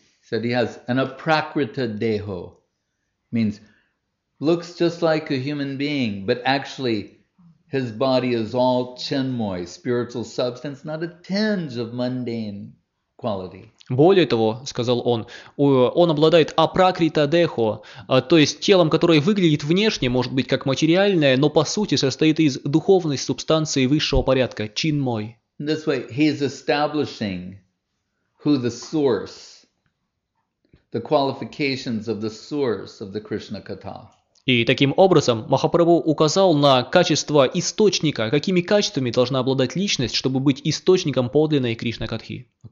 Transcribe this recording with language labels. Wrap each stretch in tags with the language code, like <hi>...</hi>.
<en>Said he has an aprakrita deho, means looks just like a human being, but actually his body is all chinmoy, spiritual substance, not a tinge of mundane quality.</en> <ru>Более того, сказал он обладает апракрита-дехо, то есть телом, которое выглядит внешне, может быть, как материальное, но по сути состоит из духовной субстанции высшего порядка, чинмой.</ru> <en>This way he is establishing who the source, the qualifications of the source of the Krishna Katha.</en> <ru>И таким образом Махапрабху указал на качества источника, какими качествами должна обладать личность, чтобы быть источником подлинной Кришна Катхи.</ru>